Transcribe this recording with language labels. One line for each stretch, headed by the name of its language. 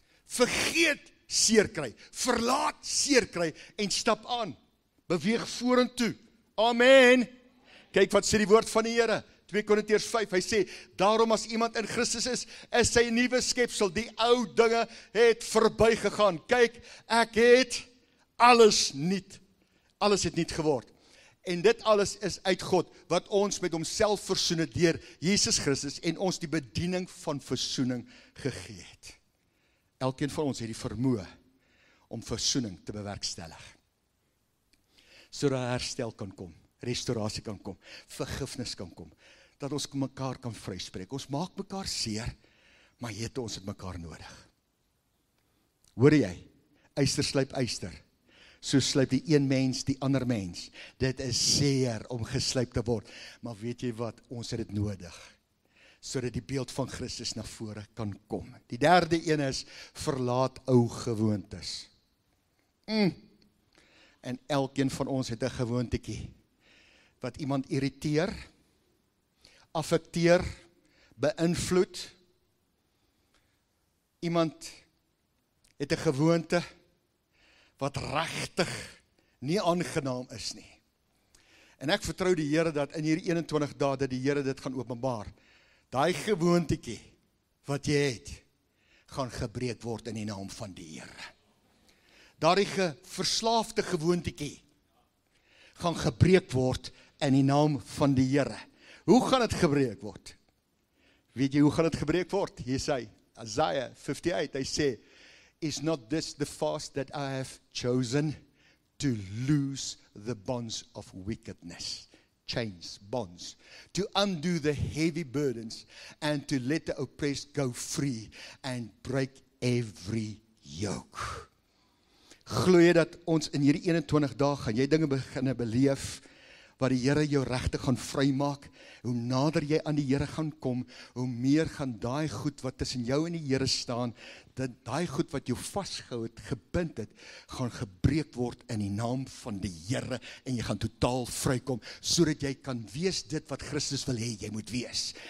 Afrikaans: Vergeet seer kry, verlaat seer kry, en stap aan, beweeg vorentoe. Amen. Kyk wat sê die woord van die Here, 2 Korintiërs 5, hy sê, daarom as iemand in Christus is, is sy nuwe skepsel, die ou dinge het verby gegaan. Kyk, ek het alles nuut, alles het nuut geword. En dit alles is uit God, wat ons met homself versoen het deur Jesus Christus en ons die bediening van versoening gegee het. Elkeen van ons het die vermoë om versoening te bewerkstellig. Sodat herstel kan kom, restaurasie kan kom, vergifnis kan kom, dat ons mekaar kan vryspreek. Ons maak mekaar seer, maar het ons het mekaar nodig. Hoor jy, yster slyp yster. So slyp die een mens, die ander mens. Dit is seer om geslyp te word. Maar weet jy wat, ons het dit nodig. Sodat die beeld van Christus na vore kan kom. Die derde een is, verlaat ou gewoontes. En elkeen van ons het 'n gewoontekie. Wat iemand irriteer, affekteer, beïnvloed. Iemand het 'n gewoonte wat regtig nie aangenaam is nie. En ek vertrou die Here dat in hierdie 21 dae dat die Here dit gaan openbaar. Daai gewoontetjie wat jy het, gaan gebreek word in die naam van die Here. Daardie verslaafde gewoontetjie gaan gebreek word in die naam van die Here. Hoe gaan het gebreek word? Weet jy hoe gaan het gebreek word? Hier sê Isaiah 58, hy sê,
English: is not this the fast that I have chosen to loose the bonds of wickedness? Chains, bonds, to undo the heavy burdens and to let the oppressed go free and break every yoke.
Afrikaans: Glooi dat ons in hierdie 21 dae gaan jy dinge beginne beleef wat die Here jou regte gaan vrymaak. Hoe nader jy aan die Here gaan kom, hoe meer gaan daai goed wat tussen jou en die Here staan, dat daai goed wat jou vasgehou het, gebind het, gaan gebreek word in die naam van die Here en jy gaan totaal vrykom sodat jy kan wees dit wat Christus wil hê jy moet wees.